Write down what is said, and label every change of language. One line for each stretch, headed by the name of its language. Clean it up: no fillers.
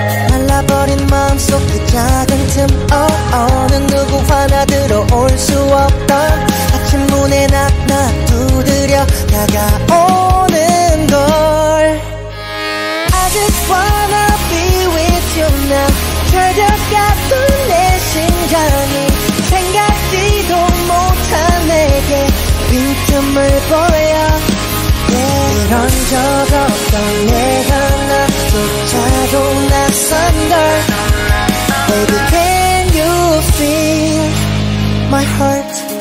Korean: 말라버린 마음속 그 작은 틈 어느 누구와나 들어올 수 없던 아침 문에 낙낙 두드려 다가오는 걸
English: I just wanna be with you now.
Korean: 절벽같은 심장이 생각지도 못한 내게 빈틈을 보여 yeah. 이런 적 없던 내가 나조차도 낯선 걸
English: Baby can you feel my heart